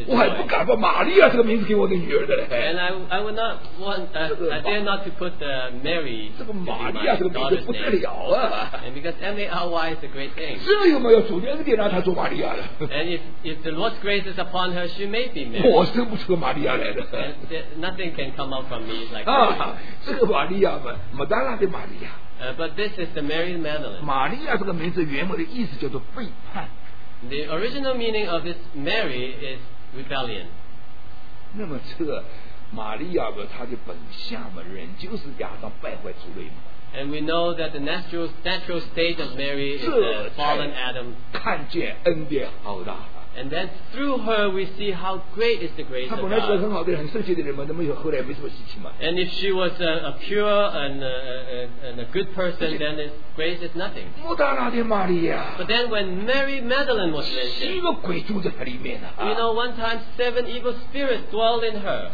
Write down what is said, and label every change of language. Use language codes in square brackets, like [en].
[zh] 我还不敢把玛利亚这个名字给我的女儿的嘞。 [en] And I would not want, I dare not to put the Mary. [zh] 这个玛利亚这个名字不得了啊。 [en] And because M-A-R-Y is a great thing. [zh] 这有没有主的恩典让她做玛利亚的。 [en] And if the Lord's grace is upon her, she may be Mary. [zh] 我生不出个玛利亚来的。 [en] And nothing can come out from me like that. [zh] 这个玛利亚嘛，马达拉的玛利亚。 [en] But this is the Mary Magdalene. [zh] 玛利亚这个名字原文的意思叫做背叛。 [en] The original meaning of this Mary is rebellion. [zh] 那么这个玛利亚呢，她的本相嘛，人就是亚当败坏之类嘛。 [en] And we know that the natural state of Mary is the fallen Adam. [zh] 看见恩典好大。 [en] And then through her we see how great is the grace of God. [zh] 她本来是个很好的人，很圣洁的人嘛，那么后来没什么事情嘛。 [en] And if she was a pure and a good person, then this grace is nothing. [zh] 莫大拉的玛利亚。 [en] But then when Mary Magdalene was mentioned, [zh] 七个鬼住在她里面呢。 [en] You know, one time seven evil spirits dwell in her.